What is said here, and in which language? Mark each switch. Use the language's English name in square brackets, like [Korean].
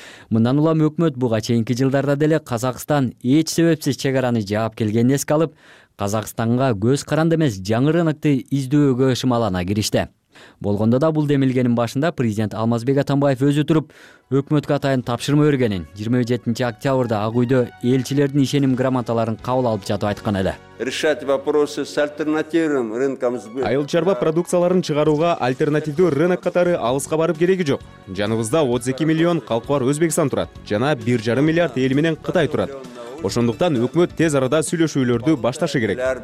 [Kyrgyz] Мындан улам өкмөт буга чейинки жылдарда деле Казакстан эч себепсиз чек араны жаап келгенин эске алып, Казакстанга көз каранды эмес жаңы рынокту издөөгө шымалана киришти. Болгондо да бул демилгенин башында президент Алмазбек Атамбаев өзү туруп өкмөткө атайын тапшырма бергенин 27 октябрда Ак Үйдө элчилердин ишеним грамоталарын кабыл алып жатып айткан эле. [Russian] Решать вопросы с альтернативным рынком сбыта. [Kyrgyz] Айыл чарба продукцияларын чыгарууга альтернативдүү рынок катары алыска барып кереги жок. Жаныбызда 32 миллион калкыбар Өзбекстан турат жана 1,5 миллиард эл менен Кытай турат. Ошондуктан өкмөт тез арада сүйлөшүүлөрдү башташы керек.